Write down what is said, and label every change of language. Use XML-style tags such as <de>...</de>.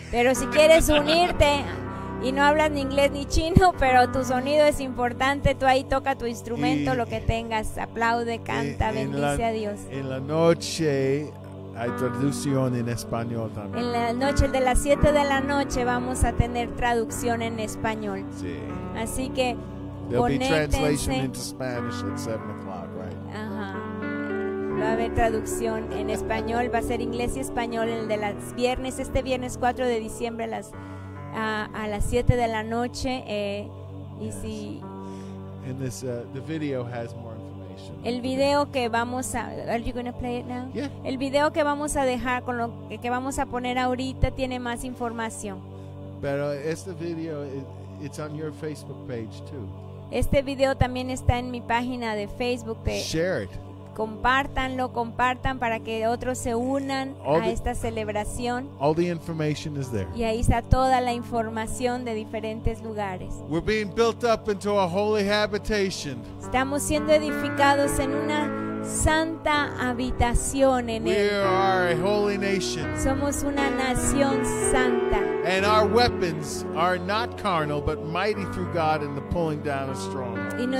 <es>Pero si quieres unirte y no hablas ni inglés ni chino, pero tu sonido es importante, tú ahí toca tu instrumento, y, lo que tengas, aplaude, canta, bendice la, a Dios. En la noche hay traducción en español también. En la noche, el de las 7 de la noche, vamos a tener traducción en español. Sí. Así que</es> <en>there'll be translation into Spanish at 7 o'clock, right? Ajá.</en> <es>Va a haber traducción en español, va a ser inglés y español el de las viernes, este viernes 4 de diciembre a las 7 de la noche. Y yes. Si</es> <en>and this, the video has more information.</en> <es>El video que vamos a,</es> <en>are you going to play it now? Yeah.</en> <es>El video que vamos a dejar con lo que vamos a poner ahorita tiene más información. Pero este video</es> <en>it's on your Facebook page too.</en> <es>Este video también está en mi página de Facebook. De,</es> <en>share it.</en> <es>Compártanlo, compartan para que otros se unan</es> <en>all</en> <es>a esta celebración.</es> <en>All the information is there.</en> <es>Y ahí está toda la información de diferentes lugares.</es> <en>We're being built up into a holy habitation.</en> <es>Estamos siendo edificados en una santa habitación en</es> <en>we</en> <es>él.</es> <en>Are a holy nation.</en> <es>Somos una nación santa.</es> <en>And our weapons are not carnal, but mighty through God in the pulling down of strongholds.</en>